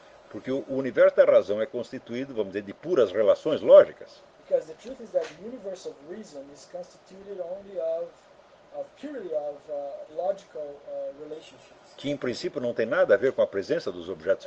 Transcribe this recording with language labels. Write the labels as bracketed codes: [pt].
[pt] Porque o universo da razão é constituído, vamos dizer, de puras relações lógicas. [en] Because the truth is that the universe of reason is constituted only purely of logical relationships. [pt] Que em princípio não tem nada a ver com a presença dos objetos